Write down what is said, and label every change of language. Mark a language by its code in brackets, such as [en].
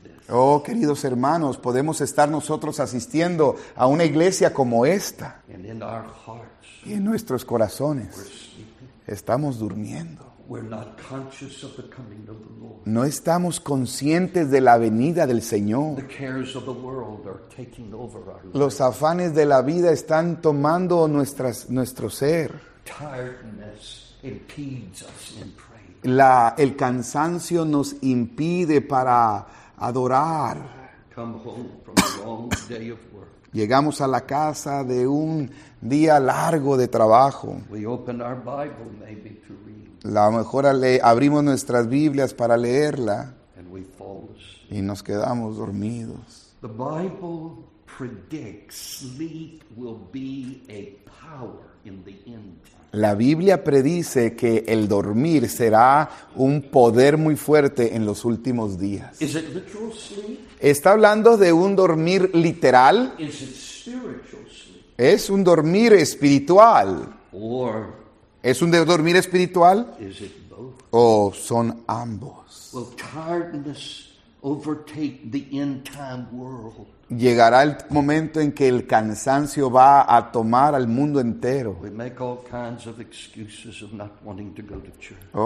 [es] Oh, queridos hermanos, podemos estar nosotros asistiendo a una iglesia como esta. Y en nuestros corazones estamos durmiendo. [en] We're not conscious of the coming of the Lord. [es] No estamos conscientes de la venida del Señor. [en] The cares of the world are taking over our lives. [es] Los afanes de la vida están tomando nuestro ser. [en] Tiredness impedes us in prayer. [es] El cansancio nos impide para adorar. [en] Come home from a long day of work. [es] Llegamos a la casa de un día largo de trabajo. [en] We open our Bible maybe to read. [es] La mejor abrimos nuestras Biblias para leerla y nos quedamos dormidos. [en] The Bible predicts sleep will be a power in the end time. [es] La Biblia predice que el dormir será un poder muy fuerte en los últimos días. [en] Is it literal sleep? [es] ¿Está hablando de un dormir literal? [en] Is it spiritual sleep? [es] ¿Es un dormir espiritual? [en] Or [es] ¿es un dormir espiritual? [en] Is it [es] ¿o son ambos? [en] Will tiredness overtake the end time world? [es] Llegará el momento en que el cansancio va a tomar al mundo entero. [en] We make all kinds of excuses of not wanting to go to church.